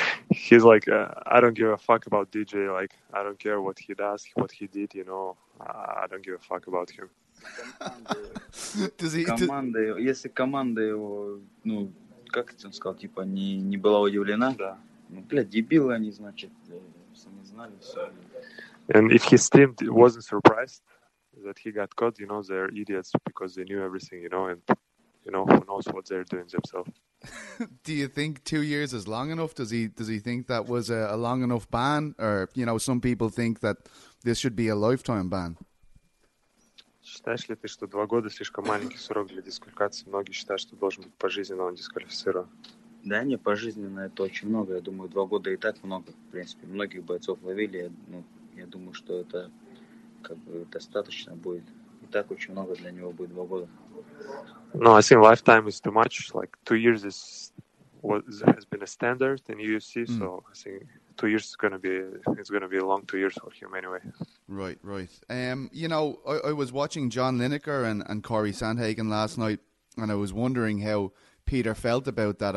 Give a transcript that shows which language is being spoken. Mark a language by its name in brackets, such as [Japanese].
[English] He's like, I don't give a fuck about DJ. Like, I don't care what he does, what he did, you know. I don't give a fuck about him. [Russian] Команда, если команда его, ну, как это он сказал, типа, не была удивлена? Да. Ну, бля, дебилы они, значит, все не знали, все. [English] And if his team wasn't surprised that he got caught, you know, they're idiots because they knew everything, you know, and, you know, who knows what they're doing themselves. Do you think 2 years is long enough? Does he think that was a long enough ban? Or, you know, some people think that this should be a lifetime ban. [Russian] Считаешь ли ты, что 2 года слишком маленький срок для дисквалификации? Многие считают, что должен быть пожизненно он дисквалифицирован. Да, не пожизненно, это очень много. Я думаю, 2 года и так много, в принципе. Многих бойцов ловили, ну, я думаю, что это как бы достаточно будет. И так очень много для него будет 2 года. [English] No, I think lifetime is too much. Like 2 years is has been a standard in UFC, so I think 2 years is gonna be it's gonna be a long 2 years for him anyway. Right, right. You know, I was watching John Lineker and Corey Sandhagen last night, and I was wondering how Peter felt about that.